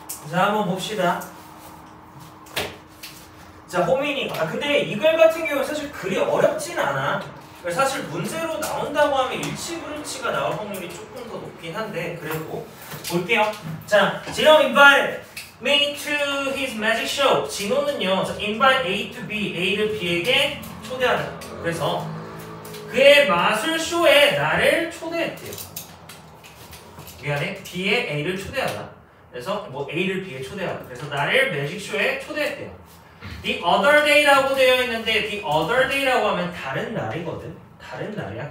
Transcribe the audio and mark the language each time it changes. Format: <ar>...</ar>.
<ko>자 한번 봅시다. 자 호민이. 아 근데 이글 같은 경우는 사실 글이 어렵진 않아. 사실 문제로 나온다고 하면 일치 불일치가 나올 확률이 조금 더 높긴 한데 그래도 볼게요. 자,</ko> <en>진호 invite me to his magic show.</en> <ko>진호는요,</ko> <en>invite A to B,</en> <ko>A를 B에게 초대하자. 그래서 그의 마술 쇼에 나를 초대했대요. 미안해, B에 A를 초대하자. 그래서 뭐 A를 B에 초대하자. 그래서 나를 magic show에 초대했대요.</ko> <en>The other day</en> <ko>라고 되어 있는데</ko> <en>the other day</en> <ko>라고 하면 다른 날이거든. 다른 날이야.</ko>